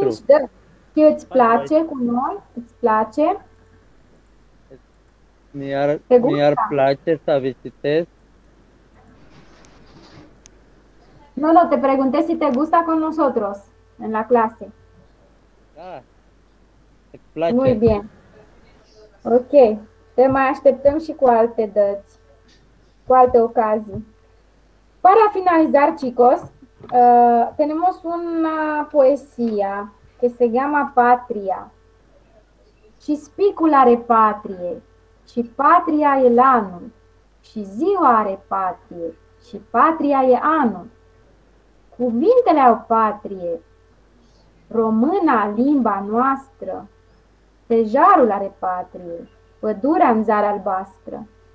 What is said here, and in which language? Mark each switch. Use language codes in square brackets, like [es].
[ro] Cinci, da. Îți place cu noi? Îți place? Mi-ar place să vizitez. [es] No, no, te pregunté si te gusta con nosotros en la clase. [ro] Da. Îți place. [es] Muy bien. Ok. [ro] Te mai așteptăm și cu alte dăți, cu alte ocazii. [es] Para finalizar, chicos, tenemos una poesía que se llama Patria. [ro] Și spicul are patrie, și patria e anul, și ziua are patrie, și patria e anul. Cuvintele au patrie, româna, limba noastră, tejarul are patrie, pădurea în zare albastră.